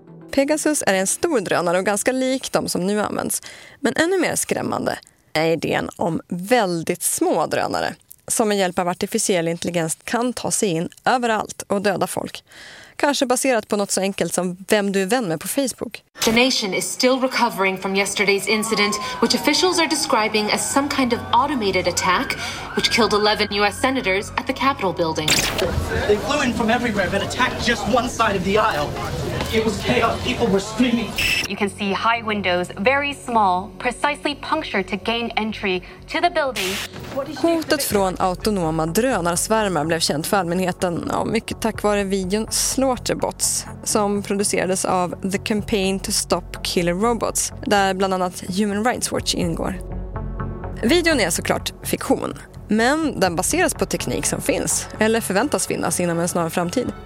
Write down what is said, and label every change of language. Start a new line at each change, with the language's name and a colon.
Swedish: Pegasus är en stor drönare och ganska lik de som nu används. Men ännu mer skrämmande är idén om väldigt små drönare som med hjälp av artificiell intelligens kan ta sig in överallt och döda folk. Kanske baserat på något så enkelt som vem du är vän med på Facebook.
English: The nation is still recovering from yesterday's incident, which officials are describing as some kind of automated attack, which killed 11 US senators at the Capitol building. They flew in from everywhere, but attacked just one side of the aisle. It was chaos. People were screaming. You can see high windows, very small, precisely punctured to gain entry to the building.
Swedish: Hotet från autonoma drönarsvärmar blev känt för allmänheten, mycket tack vare videon Slaughterbots, som producerades av The Campaign to Stop Killer Robots, där bland annat Human Rights Watch ingår. Videon är såklart fiktion, men den baseras på teknik som finns eller förväntas finnas inom en snar framtid.